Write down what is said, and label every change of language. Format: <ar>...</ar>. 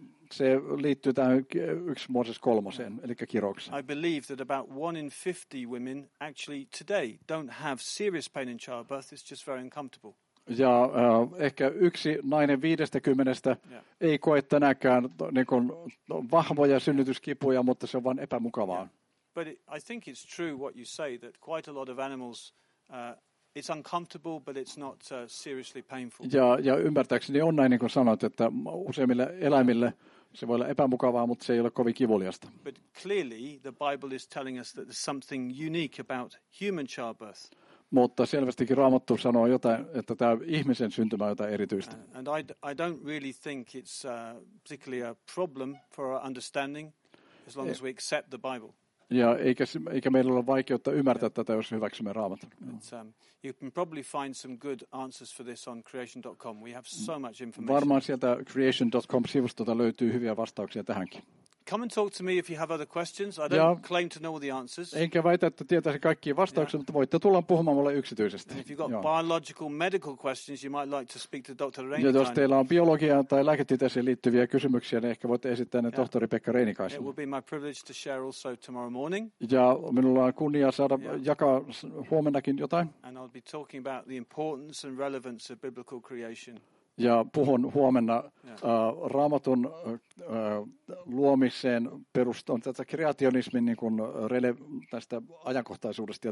<fi>Se liittyy tähän 1 Mooses 3:een, eli kiroukseen.</fi> <en>I believe that about 1 in 50 women actually today don't have serious pain in childbirth. It's just very uncomfortable.</en> <fi>Ja ehkä yksi nainen 50 ei koe tänäkään niin kuin vahvoja synnytyskipuja, mutta se on vain epämukavaa.</fi> <en>But I think it's true what you say that quite a lot of animals it's uncomfortable but it's not seriously painful.</en> <fi>Ja ymmärtääkseni on näin, niin kuin sanoit, että useimmille eläimille se voi olla epämukavaa, mutta se ei ole kovin kivuliasta.</fi> <en>But clearly the Bible is telling us that there's something unique about human childbirth.</en> <fi>mutta selvästikin Raamattu sanoo jotain, että tämä ihmisen syntymä on jotain erityistä.</fi> <en>And I don't really think it's particularly a problem for our understanding as long as we accept the Bible.</en> <fi>Ja eikä meillä ole vaikeutta ymmärtää tätä, jos hyväksymme Raamattu.</fi> <en>You can probably find some good answers for this on creation.com. We have so much information.</en> <fi>Varmaan sieltä creation.com-sivustolta löytyy hyviä vastauksia tähänkin.</fi> <en>Come and talk to me if you have other questions. I don't claim to know the answers.</en> <fi>Enkä väitä, että tietäisi kaikki vastaukset, mutta voitte tulla puhumaan mulle yksityisesti.</fi> <en>If you've got biological medical questions, you might like to speak to Dr. Reinikainen.</en> <fi>Ja jos teillä on biologiaan tai lääketieteeseen liittyviä kysymyksiä, niin ehkä voitte esittää ne tohtori Pekka Reinikaiselle.</fi> <en>It will be my privilege to share also tomorrow morning.</en> <fi>Ja minulla on kunnia saada jakaa huomennakin jotain.</fi> <en>And I'll be talking about the importance and relevance of biblical creation.</en> <fi>Ja puhun huomenna Raamatun luomiseen perustuen tätä kreationismin niin kuin tästä ajankohtaisuudesta ja</fi>